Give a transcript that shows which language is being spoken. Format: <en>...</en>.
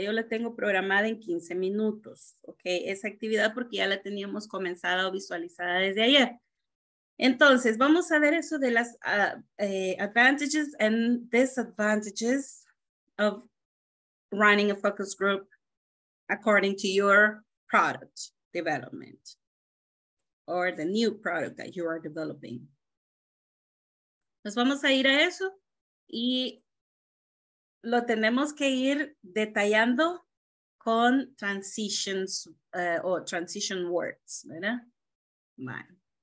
<es>Yo la tengo programada en 15 minutos, ¿ok? Esa actividad, porque ya la teníamos comenzada o visualizada desde ayer. Entonces, vamos a ver eso de las</es> <en>advantages and disadvantages of running a focus group according to your product development, or the new product that you are developing.</en> <es>Nos vamos a ir a eso y lo tenemos que ir detallando con transitions o</es> <en>transition words,</en> <es>¿verdad? Bueno.</es>